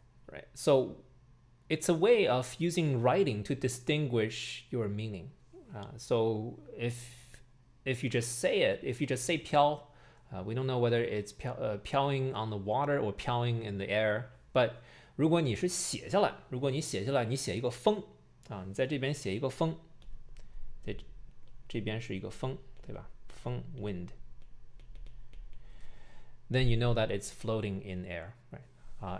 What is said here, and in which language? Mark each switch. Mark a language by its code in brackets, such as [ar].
[en] Right. So it's a way of using writing to distinguish your meaning. So if you just say piao, we don't know whether it's piaoing on the water or piaoing in the air. But [zh] 如果你写下来，你写一个风，你在这边写一个风，在这边是一个风，对吧？风 wind. [en] Then you know that it's floating in air, right?